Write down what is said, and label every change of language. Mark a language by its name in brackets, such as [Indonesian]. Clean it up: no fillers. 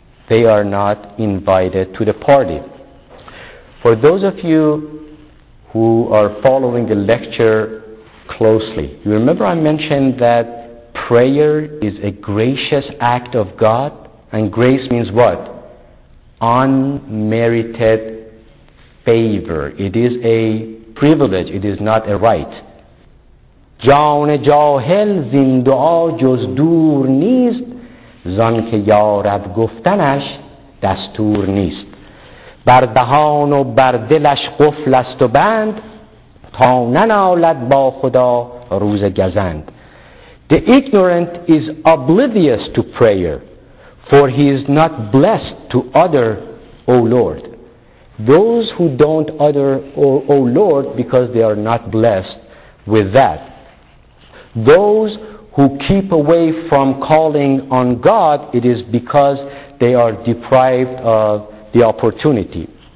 [English] They are not invited to the party. For those of you who are following the lecture closely, you remember I mentioned that prayer is a gracious act of God, and grace means what? Unmerited favor. It is a privilege, it is not a right. [Persian] جان جاهل زین دعا جز دور نیست زان که یارب گفتنش دستور نیست. بر دهان و بر دلش قفل است و بند تا ننالد با خدا روز گزند. [English] The ignorant is oblivious to prayer, for he is not blessed to utter, O Lord. Those who don't utter, O Lord, because they are not blessed with that. Those who keep away from calling on God, it is because they are deprived of the opportunity.